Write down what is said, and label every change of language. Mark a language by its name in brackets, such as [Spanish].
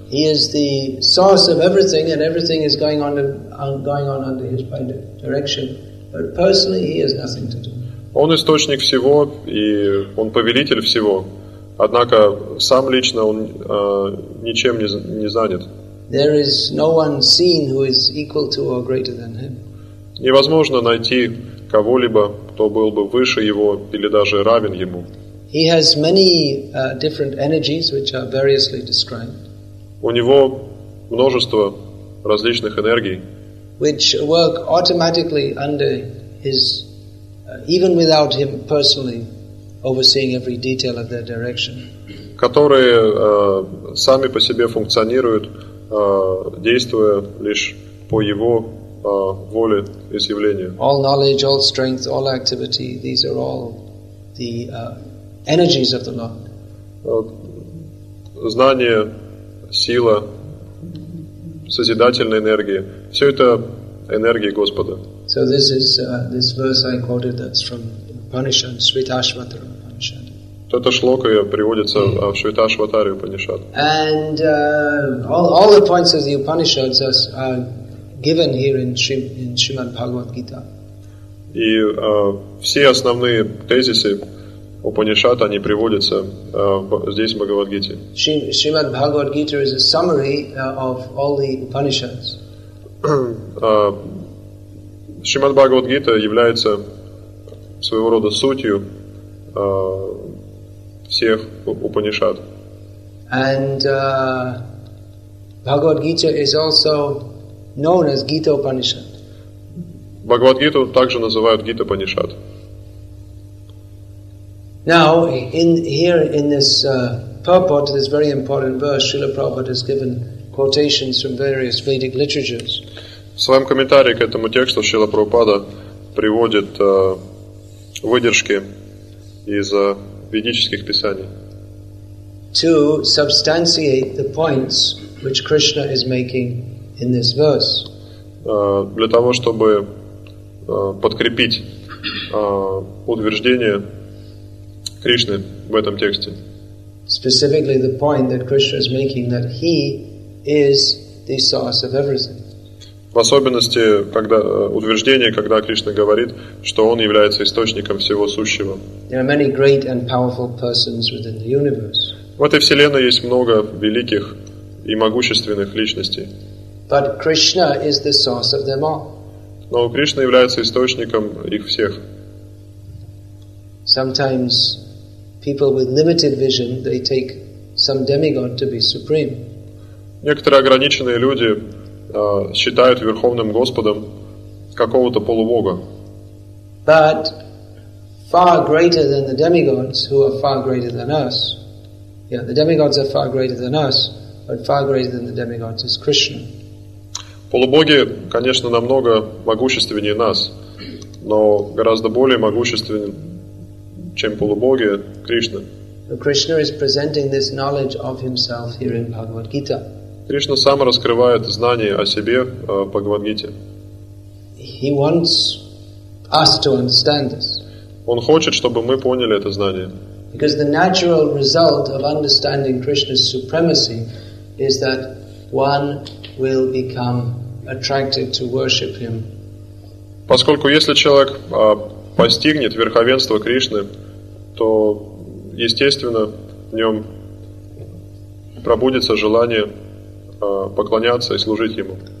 [English] He is the source of everything, and everything is going on under his direction. But personally, he has nothing to do. [Russian] Он источник всего, и он повелитель всего. Однако сам лично он ничем не занят. [English] There is no one seen who is equal to or greater than him. [Russian] Невозможно найти кого-либо, кто был бы выше его или даже равен ему. [English] He has many different energies, which are variously described. [Russian] У него множество различных энергий, [English] which work automatically under his, even without him personally overseeing every detail of their direction. [Russian] Которые сами по себе функционируют, действуя лишь по его воле и изъявлению. [English] All knowledge, all strength, all activity, these are all the energies of the Lord. [Russian] Знание, сила, созидательная энергия, все это энергии Господа. [English] So this is this verse I quoted, that's from Upanishad, Shvetashvatara Upanishad. [Russian] Это шлока приводится в Шветашватаре Упанишад. [English] And all the points of the Upanishads are given here in Srimad Bhagavad Gita. [Russian] И все основные тезисы Упанишад, они приводятся здесь в Бхагавад-гите. [English] Srimad Bhagavad Gita is a summary of all the Upanishads. [Russian] Srimad Bhagavad Gita является своего рода сутью всех Упанишад. [English] And Bhagavad Gita is also known as Gita Upanishad. [Russian] Bhagavad Gita также называют Gita Upanishad. [English] Now, here in this purport, this very important verse, Srila Prabhupada has given quotations from various Vedic literatures. [Russian] В своем комментарии к этому тексту Шрила Прабхупада приводит выдержки из ведических писаний. [English] To substantiate the points which Krishna is making in this verse. [Russian] Для того, чтобы подкрепить утверждение Кришны в этом тексте. [English] Specifically the point that Krishna is making, that he is the source of everything. [Russian] В особенности, когда утверждение, когда Кришна говорит, что он является источником всего сущего. [English] There are many great and powerful persons within the universe. [Russian] В этой вселенной есть много великих и могущественных личностей. [English] But Krishna is the source of them all. [Russian] Но Кришна является источником их всех. [English] Sometimes people with limited vision, they take some demigod to be supreme. [Russian] Некоторые ограниченные люди считают Верховным Господом какого-то полубога. [English] But far greater than the demigods, who are far greater than us. Yeah, the demigods are far greater than us, but far greater than the demigods is Krishna. [Russian] Полубоги, конечно, намного могущественнее нас, но гораздо более могущественен, чем полубоги, Кришна. [English] Krishna is presenting this knowledge of himself here in Bhagavad Gita. [Russian] Кришна сам раскрывает знание о себе в Бхагавад-гите. [English] He wants us to understand this. [Russian] Он хочет, чтобы мы поняли это знание. [English] Because the natural result of understanding Krishna's supremacy is that one will become attracted to worship him. [Russian] Поскольку если человек постигнет верховенство Кришны, то естественно в нем пробудется желание поклоняться и служить ему.